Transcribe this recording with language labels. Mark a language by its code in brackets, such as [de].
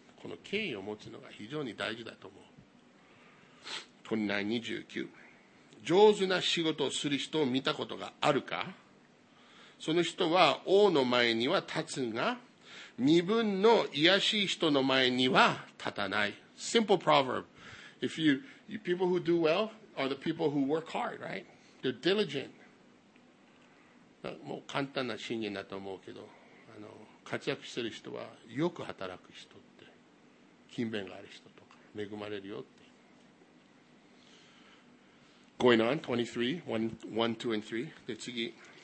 [ja] この敬意を持つのが非常に大事だと思う。 29:29。上手な仕事をする人を見たことがあるか?その人は王の前には立つが、身分の卑しい人の前には立たない。 [en] Simple proverb. If you people who do well are the people who work hard, right? They're diligent. [ja] もう簡単な信念だと思うけど、活躍してる人はよく働く人って、勤勉がある人とか、恵まれるよって。 [en] Going on, 23, 1, 2, and 3. [ja] で、次。